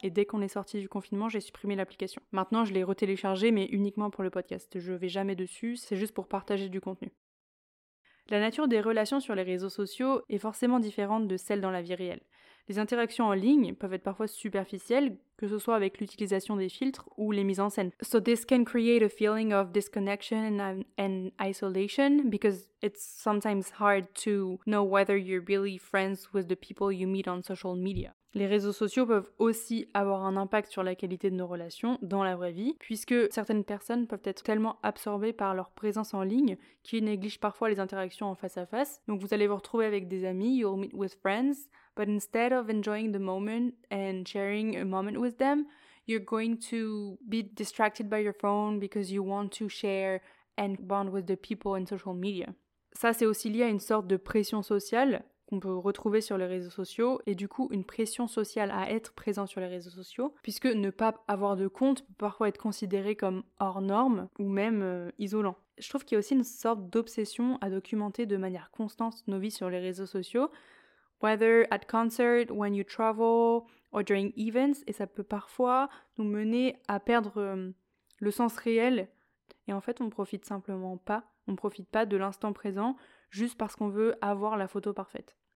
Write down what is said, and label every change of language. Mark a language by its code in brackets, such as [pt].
[fr] Et dès qu'on est sorti du confinement, j'ai supprimé l'application. Maintenant, je l'ai retéléchargé, mais uniquement pour le podcast. Je ne vais jamais dessus, c'est juste pour partager du contenu. La nature des relations sur les réseaux sociaux est forcément différente de celle dans la vie réelle. Les interactions en ligne peuvent être parfois superficielles, que ce soit avec l'utilisation des filtres ou les mises en scène. [en] So this can create a feeling of disconnection and isolation because it's sometimes hard to know whether you're really friends with the people you meet on social media. [fr] Les réseaux sociaux peuvent aussi avoir un impact sur la qualité de nos relations dans la vraie vie, puisque certaines personnes peuvent être tellement absorbées par leur présence en ligne qu'ils négligent parfois les interactions en face à face. Donc vous allez vous retrouver avec des amis, [en] you'll meet with friends, but instead of enjoying the moment and sharing a moment with them, you're going to be distracted by your phone because you want to share and bond with the people in social media. [fr] Ça, c'est aussi lié à une sorte de pression sociale qu'on peut retrouver sur les réseaux sociaux, et du coup une pression sociale à être présent sur les réseaux sociaux, puisque ne pas avoir de compte peut parfois être considéré comme hors norme ou même isolant. Je trouve qu'il y a aussi une sorte d'obsession à documenter de manière constante nos vies sur les réseaux sociaux, [en] whether at concert, when you travel, or during events, [fr] et ça peut parfois nous mener à perdre le sens réel, et en fait on profite pas de l'instant présent, juste parce qu'on veut avoir la photo parfaite.